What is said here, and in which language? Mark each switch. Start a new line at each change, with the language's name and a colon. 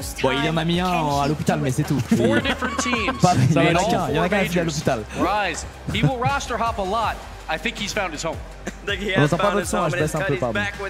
French: Bon, il en a mis un à l'hôpital, mais c'est tout. Il y en a qu'un qui est à l'hôpital.
English: Rise, he will roster hop a lot. I think he's found his home.
French: On entend pas votre son, je baisse un peu, pardon.